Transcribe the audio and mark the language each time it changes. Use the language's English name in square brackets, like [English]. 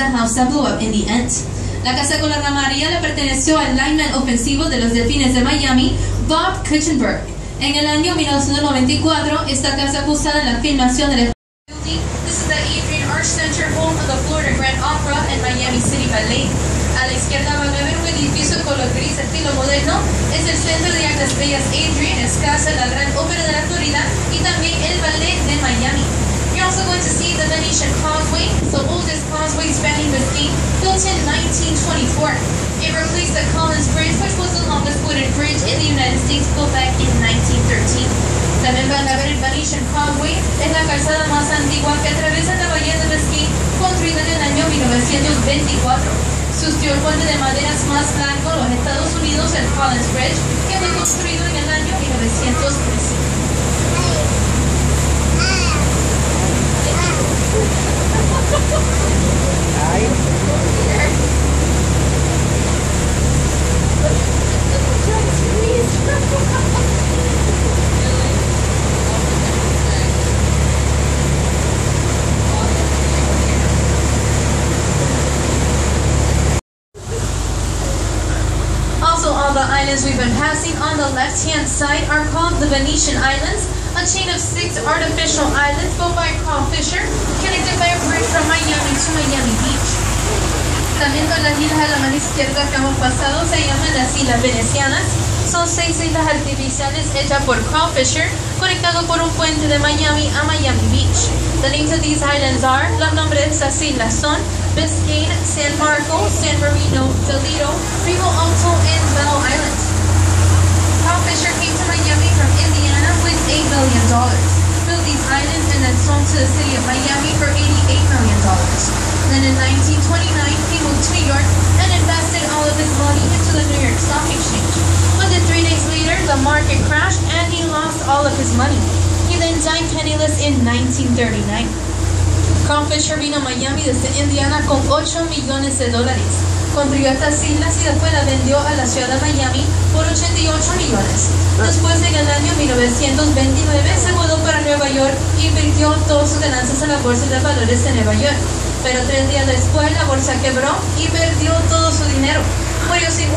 [Spanish] La casa con la rama amarilla le perteneció al lineman ofensivo de los Delfines de Miami, Bob Kuchenberg. En el año 1994, esta casa fue usada en la filmación del Guilty. [English] This is the Adrian Arch Center, home of the Florida Grand Opera and Miami City Ballet. [Spanish] A la izquierda van a ver un edificio de color gris estilo moderno. Es el centro de artes bellas Adrian, es casa de la Gran Ópera de la Florida y también el Ballet de Miami. [English] We're also going to see the Venetian Causeway, the oldest causeway spanning the sea, built in 1924. It replaced the Collins Bridge, which was the longest wooden bridge in the United States, built back in 1913. [Spanish] También van a ver el Venetian Causeway, es la calzada más antigua que atraviesa la bahía de Biscayne, construida en el año 1924. Sustituyó el puente de maderas más blanco de los Estados Unidos, el Collins Bridge, que fue construido en el año 1913. [English] Also, all the islands we've been passing on the left-hand side are called the Venetian Islands, a chain of six artificial islands built by Carl Fisher, connected by a bridge from Miami to Miami Beach. [Spanish] También todas las islas a la mano izquierda que hemos pasado se llaman las Islas Venecianas. Son seis islas artificiales hechas por Carl Fisher, conectado por un puente de Miami a Miami Beach. [English] The names of these islands are, [Spanish] los nombres de estas islas son [English] Biscayne, San Marco, San Bernardino, Toledo, Primo Alto, and Bell Island. Tom Fisher came to Miami from Indiana with $8 million. Built these islands and then sold to the city of Miami for $88 million. Then in 1929, he moved to New York and invested all of his money into the New York Stock Exchange. But then 3 days later, the market crashed and he lost all of his money. He then died penniless in 1939. [Spanish] Carl Fisher vino a Miami desde Indiana con 8 millones de dólares. Construyó estas islas y después las vendió a la ciudad de Miami por 88 millones. Después de que en el año 1929 se mudó para Nueva York y invirtió todas sus ganancias en la bolsa de valores de Nueva York. Pero 3 días después la bolsa quebró y perdió todo su dinero. Murió sin un